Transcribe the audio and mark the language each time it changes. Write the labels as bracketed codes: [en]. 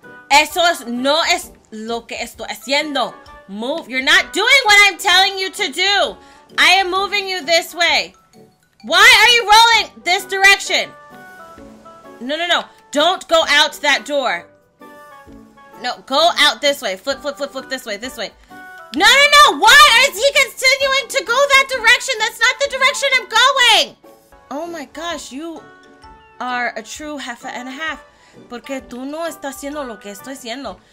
[es] Eso es, no es lo que estoy haciendo. [en] Move. You're not doing what I'm telling you to do. I am moving you this way. Why are you rolling this direction? No. Don't go out that door. No, go out this way. Flip this way. No. Why is he continuing to go that direction? That's not the direction I'm going. Oh my gosh, you are a true jefa and a half. [es] Porque tú no estás haciendo lo que estoy haciendo.